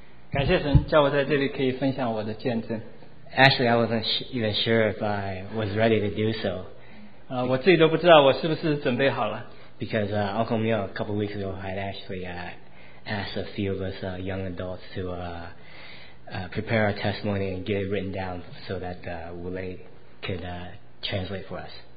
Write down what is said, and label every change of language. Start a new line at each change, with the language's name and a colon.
Chinese: 感谢神，叫我在这里可以分享我的见证。
English: Actually, I wasn't even sure if I was ready to do so.
Chinese: 我自己都不知道我是不是准备好了。
English: Because Uncle Emil, a couple weeks ago, had actually asked a few of us young adults to prepare our testimony and get it written down so that Wu Lei could translate for us.